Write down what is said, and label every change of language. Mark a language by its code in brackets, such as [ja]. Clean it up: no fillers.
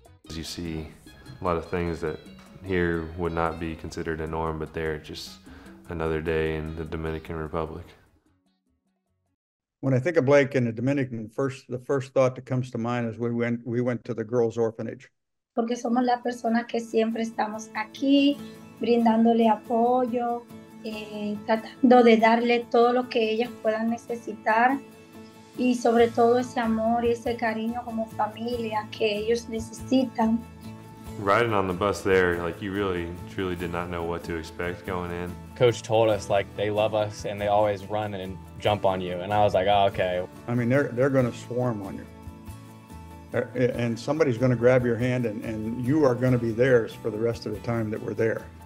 [en] You see a lot of things that here would not be considered a norm, but there, just another day in the Dominican Republic. When I think of Blake and the Dominican, the first thought that comes to mind is we went to the girls' orphanage. [es] Porque somos la persona que siempre estamos aquí, brindándole apoyo, tratando de darle todo lo que ellas puedan necesitar, y sobre todo ese amor y ese cariño como familia que ellos necesitan. [en] Riding on the bus there, like, you really, truly did not know what to expect going in. Coach told us, like, they love us and they always run and jump on you. And I was like, oh, okay. I mean, they're going to swarm on you. And somebody's going to grab your hand and you are going to be theirs for the rest of the time that we're there.